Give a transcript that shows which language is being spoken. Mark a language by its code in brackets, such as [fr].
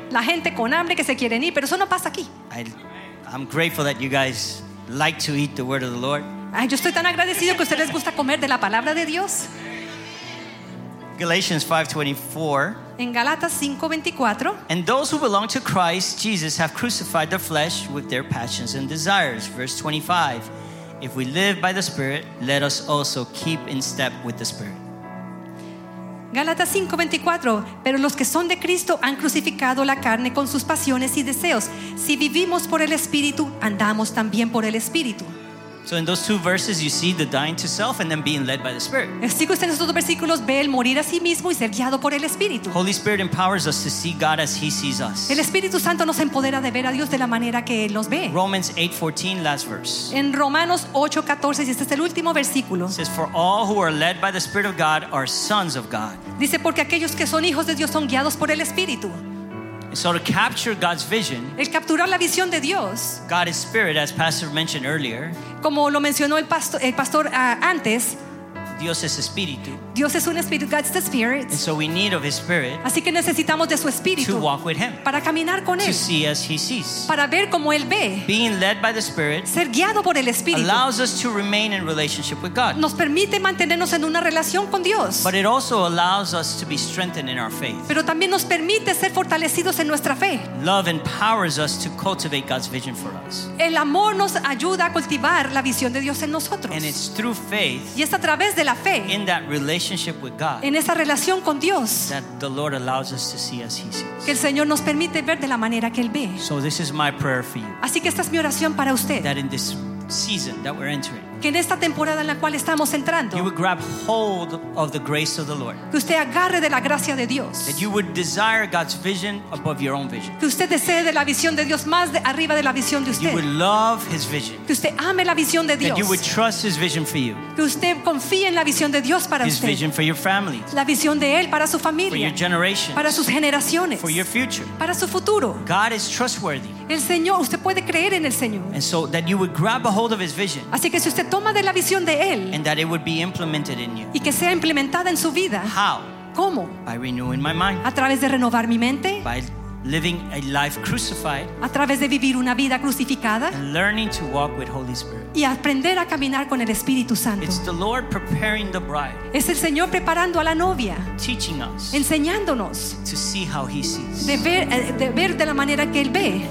[es] La gente con hambre que se quiere ir, pero eso no pasa aquí. [en] I'm grateful that you guys like to eat the word of the Lord. [es] Ay, yo estoy tan agradecido que a ustedes les gusta comer de la palabra de Dios. [en] Galatians 5:24. [es] En Galatas 5:24. [en] And those who belong to Christ Jesus have crucified the flesh with their passions and desires. Verse 25. If we live by the Spirit, let us also keep in step with the Spirit. [es] Gálatas 5:24. Pero los que son de Cristo han crucificado la carne con sus pasiones y deseos. Si vivimos por el Espíritu, andamos también por el Espíritu. [en] So in those two verses, you see the dying to self and then being led by the Spirit. [es] Así que en esos dos versículos ve el morir a sí mismo y ser guiado por el Espíritu. [en] Holy Spirit empowers us to see God as He sees us. [es] El Espíritu Santo nos empodera de ver a Dios de la manera que Él nos ve. [en] Romans 8:14, last verse. [es] En Romanos 8:14, y este es el último versículo. [en] It says, "For all who are led by the Spirit of God are sons of God." [es] Dice porque aquellos que son hijos de Dios son guiados por el Espíritu. [en] So to capture God's vision, [es] el capturar la visión de Dios, [en] God is spirit, as Pastor mentioned earlier. [es] Como lo mencionó el pastor antes, Dios es espíritu. Dios es un espíritu. [en] God's the spirit. And so we need of His spirit. [es] Así que necesitamos de su espíritu. [en] To walk with Him. [es] Para caminar con [en] to [es] él. [en] To see as He sees. [es] Para ver como él ve. [en] Being led by the Spirit. [es] Ser guiado por el espíritu. [en] Allows us to remain in relationship with God. [es] Nos permite mantenernos en una relación con Dios. [en] But it also allows us to be strengthened in our faith. [es] Pero también nos permite ser fortalecidos en nuestra fe. [en] Love empowers us to cultivate God's vision for us. [es] El amor nos ayuda a cultivar la visión de Dios en nosotros. [en] And it's through faith. [es] Y es a través de la fe. [en] In that relationship with God, [es] en esa relación con Dios, [en] that the Lord allows us to see as He sees. [es] Que el Señor nos permite ver de la manera que él ve. [en] So this is my prayer for you. [es] Así que esta es mi oración para usted. [en] That in this season that we're entering, [es] que en esta temporada en la cual estamos entrando, [en] you would grab hold of the grace of the Lord. [es] Que usted agarre de la gracia de Dios. [en] That you would desire God's vision above your own vision. [es] Que usted desee de la visión de Dios más de arriba de la visión de usted. [en] You would love His vision. [es] Que usted ame la visión de Dios. [en] That you would trust His vision for you. [es] Que usted confíe en la visión de Dios para [en] His [es] usted. [en] His vision for your family. [es] La visión de él para su familia. [en] For your generations. [es] Para sus generaciones. [en] For your future. [es] Para su futuro. [en] God is trustworthy. [es] El Señor, usted puede creer en el Señor. [en] And so that you would grab a hold of His vision. [es] Así que si usted toma de la visión de él, [en] and that it would be implemented in you. [es] Y que sea implementada en su vida. [en] How? [es] ¿Cómo? [en] By renewing my mind. [es] A través de renovar mi mente. [en] By living a life crucified. [es] A través de vivir una vida crucificada. [en] And learning to walk with Holy Spirit. [es] Y aprender a caminar con el Espíritu Santo. [en] It's the Lord preparing the bride. [es] Es el Señor preparando a la novia. [en] Teaching us. [es] Enseñándonos. [en] To see how He sees. [es] De ver de la manera que él ve.